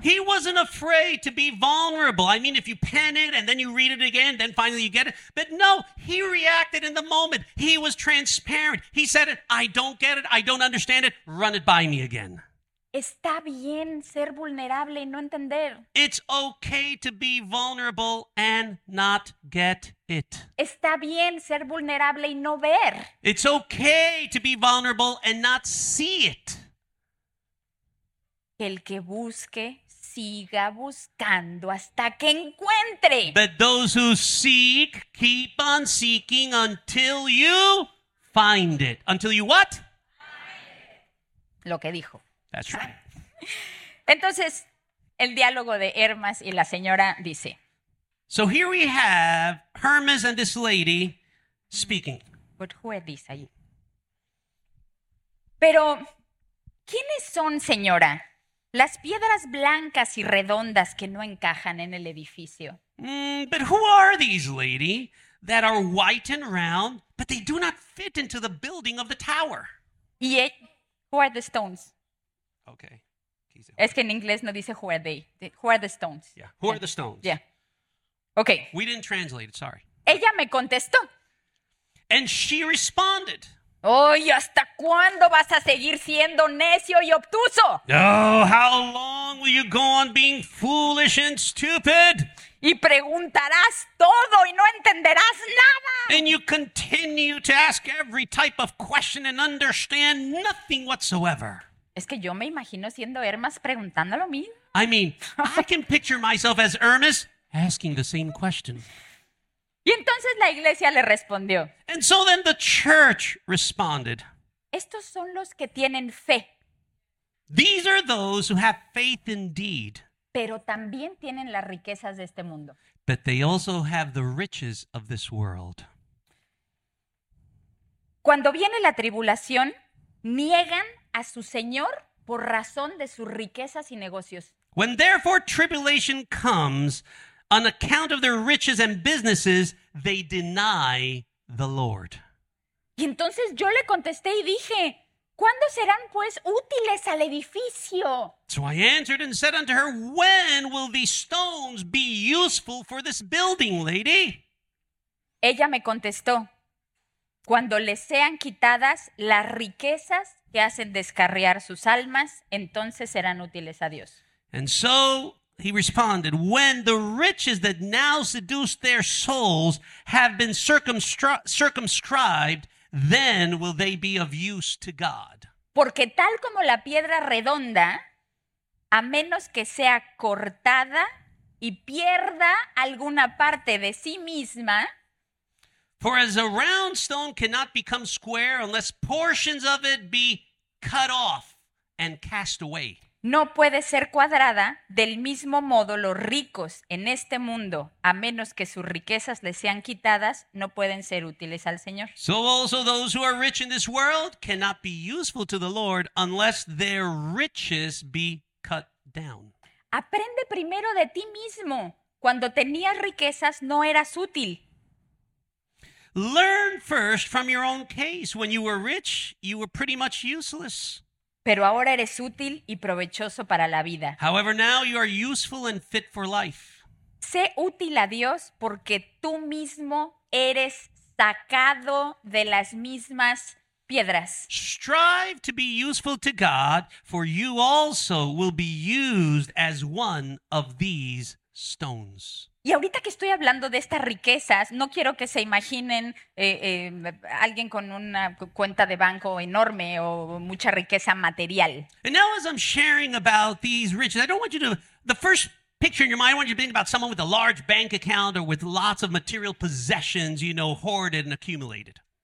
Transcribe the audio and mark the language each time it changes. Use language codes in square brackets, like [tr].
[en] He wasn't afraid to be vulnerable. I mean, if you pen it and then you read it again, then finally you get it. But no, he reacted in the moment. He was transparent. He said it, I don't get it, I don't understand it, run it by me again. [es] Está bien ser vulnerable y no entender. [en] It's okay to be vulnerable and not get it. [es] Está bien ser vulnerable y no ver. [en] It's okay to be vulnerable and not see it. [es] El que busque, siga buscando hasta que encuentre. [en] But those who seek, keep on seeking until you find it. Until you what? [es] Lo que dijo. [en] That's right. [es] Entonces, el diálogo de Hermas y la señora dice. [en] So here we have Hermes and this lady speaking. But who is this ahí? [es] Pero, ¿quiénes son, señora, las piedras blancas y redondas que no encajan en el edificio? [en] But who are these, lady, that are white and round, but they do not fit into the building of the tower? Y who are the stones? Okay. [es] Es que en inglés no dice [en] who are they. Who are the stones? Yeah. Who are the stones? Yeah. Okay. We didn't translate it, sorry. [es] Ella me contestó. [en] And she responded. [es] Oy, ¿hasta cuándo vas a seguir siendo necio y obtuso? [en] Oh, how long will you go on being foolish and stupid? [es] Y preguntarás todo y no entenderás nada. [en] And you continue to ask every type of question and understand nothing whatsoever. [es] Es que yo me imagino siendo Hermas preguntándolo a mí. [en] I mean, I can picture myself as Hermes asking the same question. [es] Y entonces la iglesia le respondió. [en] And so then the church responded. [es] Estos son los que tienen fe. [en] These are those who have faith indeed. [es] Pero también tienen las riquezas de este mundo. [en] But they also have the riches of this world. [es] Cuando viene la tribulación, niegan a su señor por razón de sus riquezas y negocios. [en] When therefore tribulation comes on account of their riches and businesses, they deny the Lord. [es] Y entonces yo le contesté y dije, ¿cuándo serán pues útiles al edificio? [en] So I answered and said unto her, when will these stones be useful for this building, lady? [es] Ella me contestó, cuando les sean quitadas las riquezas que hacen descarriar sus almas, entonces serán útiles a Dios. [en] And so he responded, when the riches that now seduce their souls have been circumscribed, then will they be of use to God. [es] Porque tal como la piedra redonda, a menos que sea cortada y pierda alguna parte de sí misma, [en] for as a round stone cannot become square unless portions of it be cut off and cast away. [es] No puede ser cuadrada del mismo modo los ricos en este mundo, a menos que sus riquezas les sean quitadas, no pueden ser útiles al Señor. [en] So also those who are rich in this world cannot be useful to the Lord unless their riches be cut down. [es] Aprende primero de ti mismo. Cuando tenías riquezas, no eras útil. [en] Learn first from your own case. When you were rich, you were pretty much useless. [es] Pero ahora eres útil y provechoso para la vida. [en] However, now you are useful and fit for life. [es] Sé útil a Dios porque tú mismo eres sacado de las mismas piedras. [en] Strive to be useful to God, for you also will be used as one of these stones. [es] Y ahorita que estoy hablando de estas riquezas, no quiero que se imaginen alguien con una cuenta de banco enorme o mucha riqueza material. [en] And now as I'm sharing about these riches, I don't want you to, the first picture in your mind, I want you to think about someone with a large bank account or with lots of material possessions, you know, hoarded and accumulated.